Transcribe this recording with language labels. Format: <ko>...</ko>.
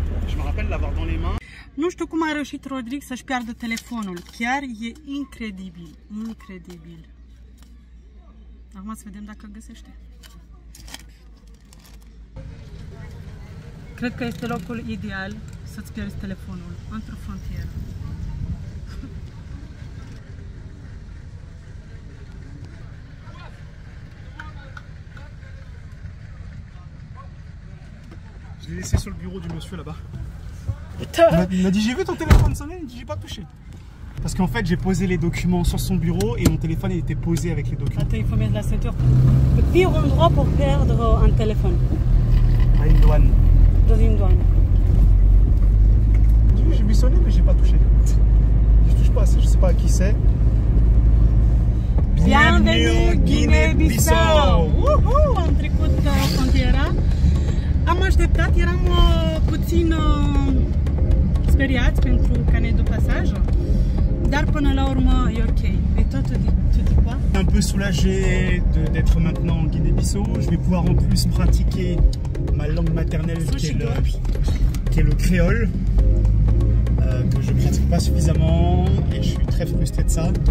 <fr>Je me rappelle l'avoir dans les mains. Non, je te comprends, Rochit Rodrigue, ça je perds le téléphone. Le Pierre, il est incroyable. Incroyable. Alors, moi, ça veut dire que je sais.</fr> <ro>Cred că este locul ideal să-ți pierzi telefonul într-o frontieră.</ro> <fr>Je l'ai laissé sur le bureau du monsieur là-bas. Putain. Il m'a dit j'ai vu ton téléphone sonner, il dit j'ai pas touché. Parce qu'en fait j'ai posé les documents sur son bureau et mon téléphone était posé avec les documents. Attends, il faut mettre la ceinture. Le pire endroit pour perdre un téléphone. À une douane. Dans une douane. J'ai buissonné mais j'ai pas touché. Je touche pas, je sais pas à qui c'est. Bienvenue</fr> <ro>Guinée-Bissau. Am trecut frontiera. Am așteptat, eram puțin speriați pentru</ro> <fr>canet de passage.</fr> <ro>Dar până la urmă e ok.</ro> <fr>Et toi tu dis quoi? Un peu soulagé d'être maintenant en Guinée-Bissau. Je vais pouvoir en plus pratiquer ma langue maternelle qui est le créole, que je ne pratique pas suffisamment et je suis très frustré de ça.</fr>